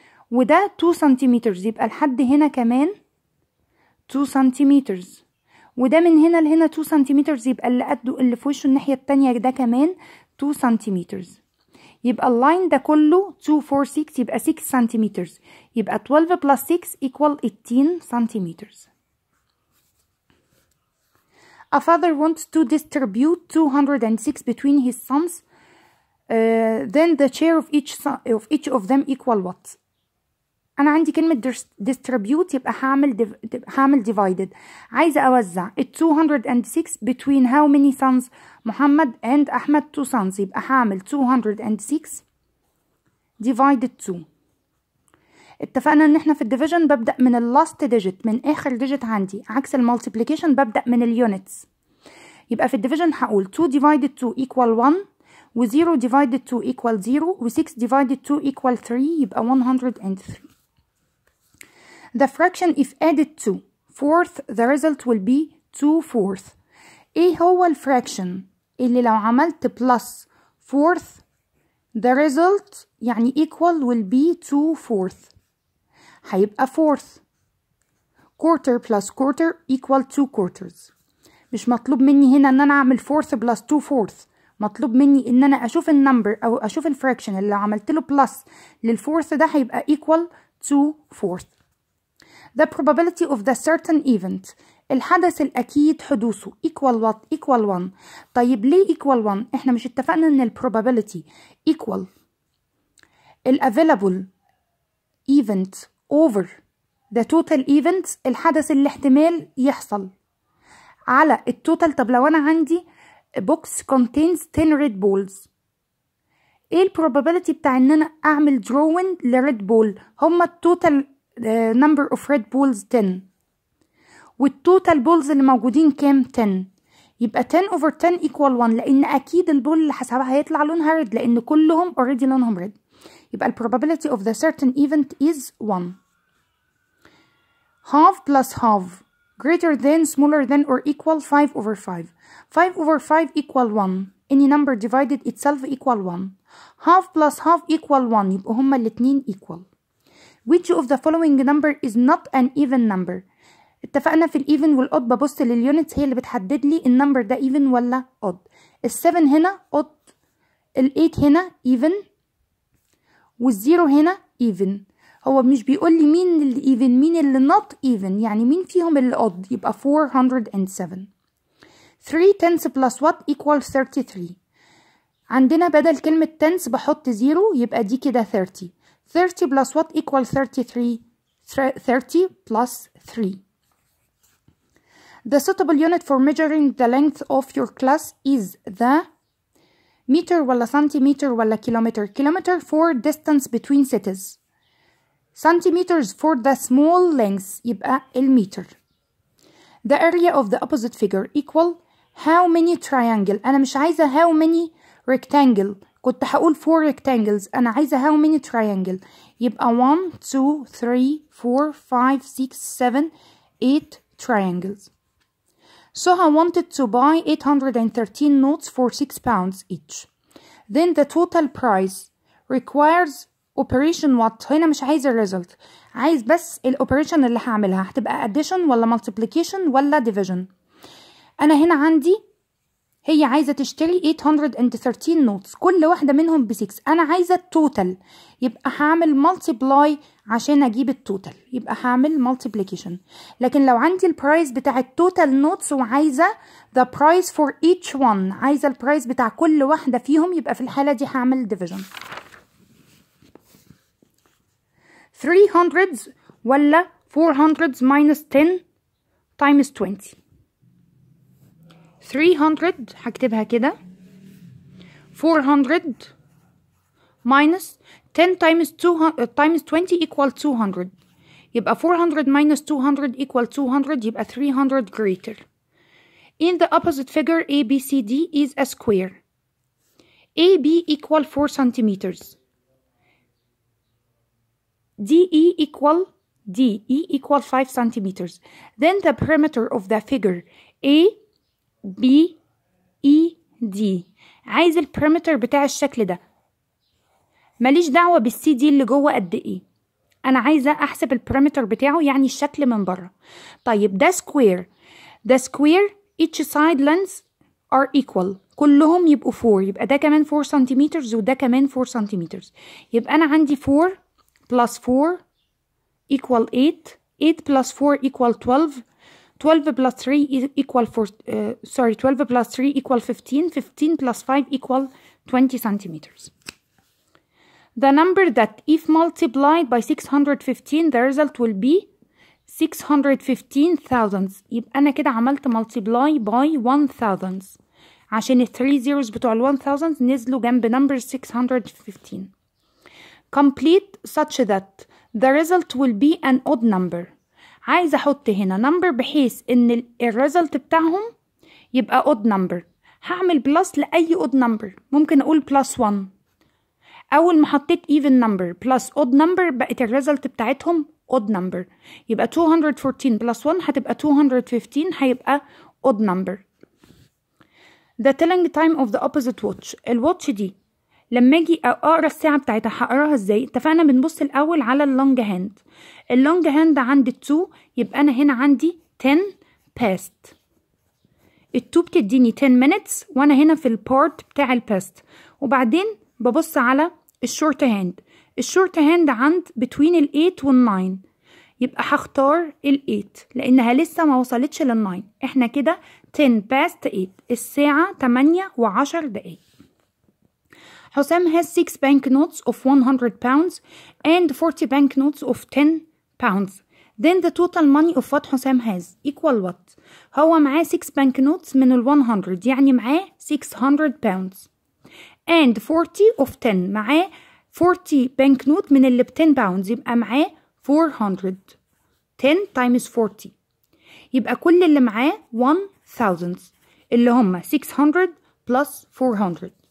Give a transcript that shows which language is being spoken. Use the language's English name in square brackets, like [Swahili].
[Arabic] وده 2 سنتيمترز، يبقى الحد هنا كمان 2 سنتيمترز، وده من هنا لهنا 2 سنتيمترز، يبقى اللي قده اللي في وشه الناحيه الثانيه ده كمان 2 سنتيمترز، يبقى اللاين ده كله 2 4 6 يبقى 6 سنتيمترز، يبقى [English] 12 plus 6 equal 18 [Arabic] سنتيمترز. [English] A father wants to distribute 206 between his sons then the share of each of them equal what؟ [Arabic] انا عندي كلمه [English] distribute يبقى هعمل divided، [Arabic] عايزه اوزع ال [English] 206 between how many sons؟ محمد and احمد 2 sons، يبقى هعمل 206 divided 2. [Arabic] اتفقنا ان احنا في الديفيجن ببدا من اللاست ديجيت، من اخر ديجيت عندي، عكس المالتيبليكيشن ببدا من اليونتس. يبقى في الديفيجن هقول 2 divided 2 equal 1 و0 divided 2 equal 0 و6 divided 2 equal 3 يبقى 103. [English] The fraction if added to fourth the result will be 2 fourth. [Arabic] ايه هو الفراكشن اللي لو عملت plus fourth the result يعني equal will be 2 fourth؟ هيبقى fourth. [English] quarter plus quarter equal 2 quarters. [Arabic] مش مطلوب مني هنا ان انا اعمل fourth plus 2 fourth، مطلوب مني ان انا اشوف النمبر او اشوف الفراكشن اللي عملت له plus للfourth ده هيبقى equal 2 fourth. [English] the probability of the certain event، [Arabic] الحدث الاكيد حدوثه [English] equal what؟ equal 1. [Arabic] طيب ليه equal 1؟ احنا مش اتفقنا ان [English] probability equal available event over the total events، [Arabic] الحدث اللي احتمال يحصل على التوتال. طب لو انا عندي بوكس [English] contains 10 red balls، [Arabic] ايه البروبابيليتي بتاع ان انا اعمل drawing لريد بول؟ هما التوتال number of red balls 10 والتوتال بولز اللي موجودين كام؟ 10. يبقى 10 over 10 equal 1، لان اكيد البول اللي حسبها هيطلع لونها red لان كلهم already لونهم red. [English] يبقى probability of the certain event is 1. half plus half greater than smaller than or equal 5 over 5. 5 over 5 equal 1. any number divided itself equal 1. half plus half equal 1. [Arabic] يبقى هما الاثنين equal. [English] which of the following number is not an even number؟ [Arabic] اتفقنا في الايفن والاود ببص لليونتس هي اللي بتحدد لي النمبر ده ايفن ولا اود. ال7 هنا اود، ال8 هنا ايفن، والزيرو هنا even. هو مش بيقول لي مين اللي even مين اللي not even، يعني مين فيهم اللي odd. [English] يبقى 407. 3 tenths plus what equal 33. [Arabic] عندنا بدل كلمة tenths بحط زيرو يبقى دي كده 30. [English] 30 plus what equal 33. 30 plus 3. The suitable unit for measuring the length of your class is the meter [Arabic] ولا سنتيمتر ولا كيلومتر؟ [English] Kilometer for distance between cities. centimeters for the small length يبقى المتر. the area of the opposite figure equal how many triangle؟ [Arabic] أنا مش عايزة [English] how many rectangle، كنت هقول four rectangles، أنا عايزة how many triangle. [Arabic] يبقى 1 2 3 4 5 6 7 8 triangles. [English] Soha wanted to buy 813 notes for 6 pounds each. Then the total price requires operation what؟ [Arabic] هنا مش عايز الريزلت، عايز بس الاوبريشن اللي هعملها، هتبقى addition ولا multiplication ولا division. انا هنا عندي هي عايزة تشتري 813 notes كل واحدة منهم ب 6، انا عايزة total، يبقى هعمل multiply عشان اجيب التوتال، يبقى هعمل multiplication. لكن لو عندي البرايس بتاع التوتال نوتس وعايزة [English] the price for each one، [Arabic] عايزة البرايس بتاع كل واحدة فيهم، يبقى في الحالة دي هعمل division. [English] 300 ولا 400 minus 10 times 20. 300 هكتبها كده 400 minus 10 times 200 times 20 equal 200. [Arabic] يبقى 400 minus 200 equal 200، يبقى 300 greater. [English] in the opposite figure ABCD is a square. AB equal 4 centimeters. DE equal DE equal 5 centimeters. then the perimeter of the figure ABED. [Arabic] عايز البريمتر بتاع الشكل ده، ماليش دعوة بالسي دي اللي جوه قد ايه، انا عايزة احسب البريمتر بتاعه يعني الشكل من بره. طيب ده سكوير، ده سكوير [English] each side lengths are equal، [Arabic] كلهم يبقوا 4، يبقى ده كمان 4 سنتيمترز وده كمان 4 سنتيمترز. [English] يبقى انا عندي 4 plus 4 equal 8، 8 plus 4 equal 12، 12 plus 3 equal 4, 12 plus 3 equal 15, 15 plus 5 equal 20 centimeters. The number that if multiplied by 615, the result will be 615,000s. [Arabic] يبقى أنا كده عملت multiply by 1,000s. عشان الثري زيروز بتوع ال 1,000s نزلوا جنب number 615. [English] Complete such that the result will be an odd number. [Arabic] عايز أحط هنا number بحيث إن ال result بتاعهم يبقى odd number. هعمل plus لأي odd number. ممكن أقول plus 1. أول ما حطيت even number plus odd number بقت ال result بتاعتهم odd number. يبقى 214 plus 1 هتبقى 215 هيبقى odd number. [English] The telling time of the opposite watch. [Arabic] الواتش دي لما اجي اقرا الساعة بتاعتها هقراها ازاي؟ اتفقنا بنبص الاول على اللونج هاند. اللونج هاند عندي 2 يبقى انا هنا عندي 10 past. التو بتديني 10 minutes وانا هنا في البارت بتاع الباست. وبعدين ببص على الشورت هاند. الشورت هاند عند between ال 8 وال 9 يبقى هختار ال 8 لانها لسه ما وصلتش لل 9. [English] احنا كده 10 past 8. [Arabic] الساعة 8 و10 دقايق. [English] حسام has 6 bank notes of 100 pounds and 40 bank notes of 10 pounds. Then the total money of what حسام has equal what? [Arabic] هو معاه 6 bank notes من ال 100 يعني معاه 600 pounds. [English] And 40 of 10 [Arabic] معاه 40 bank note من اللي ب 10 pounds يبقى معاه 400. 10 times 40 يبقى كل اللي معاه 1000 اللي هم 600 plus 400.